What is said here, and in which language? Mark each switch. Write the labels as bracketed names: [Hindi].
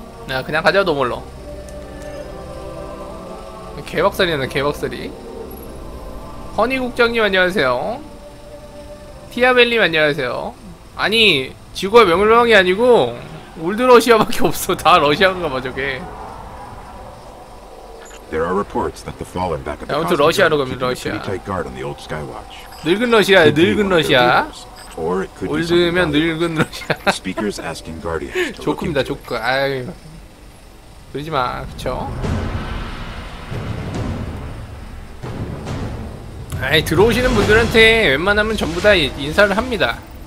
[Korean] 야, 그냥 가자, 도몰로. 개박살이네, 개박살이. 허니 국장님 안녕하세요. 티아벨님 안녕하세요. 아니, 지구가 명물방이 아니고 올드 러시아밖에 없어. 다 러시아인가 봐, 저게. [English] There are reports that the fallen back of the Cosmic Guard are keeping a pretty tight guard on the old Skywatch. [Korean] 늙은 러시아, 늙은 러시아. 올드면 늙은 러시아. [English] Speakers asking guardians. [Korean] 조크입니다, 조크. 아유, 그러지 마, 그쵸? 아이, 들어오시는 분들한테 웬만하면 전부 다 인사를 합니다.